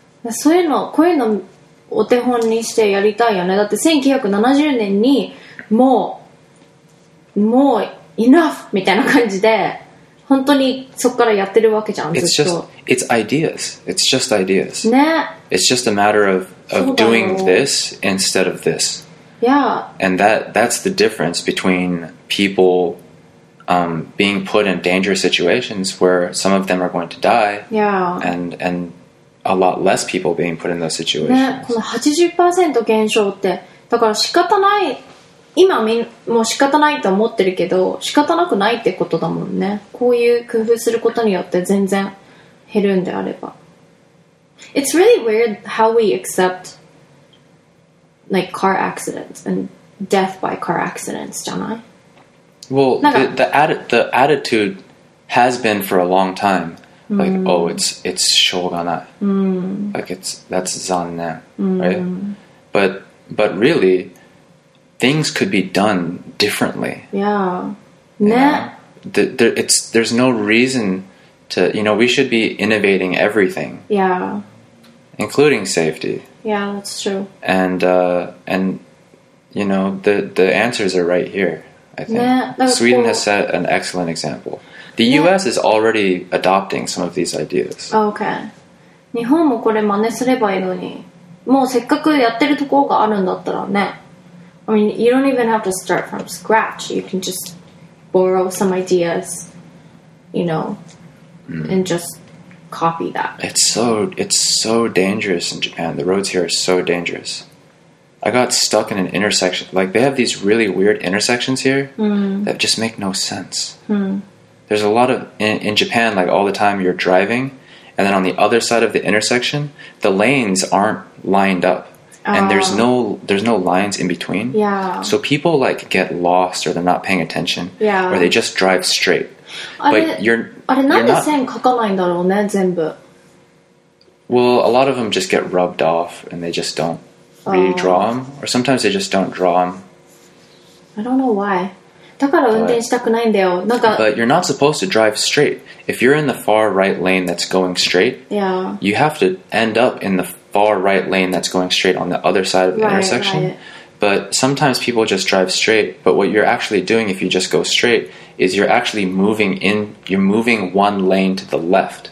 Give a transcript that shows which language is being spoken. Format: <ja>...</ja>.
<ja>そういうの、こういうのお手本にしてやりたいよね。だって1970年にもう enough みたいな感じで、本当にそこからやってるわけじゃん、ずっと。</ja> <en>It's just ideas.</en> <ja>ね。</ja> <en>It's just a matter of doing this instead of this. Yeah. And that's the difference between people being put in dangerous situations where some of them are going to die. Yeah. And a lot less people being put in those situations.</en> <ja>ね、この 80% 減少って、だから仕方ない、今もう仕方ないと思ってるけど、仕方なくないってことだもんね。こういう工夫することによって全然減るんであれば。</ja> <en>It's really weird how we accept like car accidents and death by car accidents,</en> <ja>じゃない？</ja> <en>Well, the attitude has been for a long time, like, oh, it's shouganai. Like, that's zannen, right? But really, things could be done differently. Yeah. Ne? There's no reason to, you know, we should be innovating everything. Yeah. Including safety. Yeah, that's true. And you know, the answers are right here. I think Sweden has set an excellent example. The US is already adopting some of these ideas. Okay.</en> <ja>日本もこれ真似すればいいのに。もうせっかくやってるところがあるんだったらね。</ja> <en>I mean, you don't even have to start from scratch. You can just borrow some ideas, you know, and just copy that. It's so dangerous in Japan. The roads here are so dangerous. I got stuck in an intersection. Like, they have these really weird intersections here that just make no sense. There's a lot of, in Japan, like all the time you're driving, and then on the other side of the intersection, the lanes aren't lined up. And there's no lines in between. Yeah. So people like get lost or they're not paying attention. Yeah. Or they just drive straight. But</en> <ja>なんで線書かないんだろうね、全部。</ja> <en>Well, a lot of them just get rubbed off and they just don't really draw them. Or sometimes they just don't draw them. I don't know why.</en> <ja>だから運転したくないんだよ。なんか。But</ja> <en>you're not supposed to drive straight. If you're in the far right lane that's going straight, yeah. You have to end up in the far right lane that's going straight on the other side of the intersection. But sometimes people just drive straight. But what you're actually doing if you just go straight is you're actually moving one lane to the left.</en>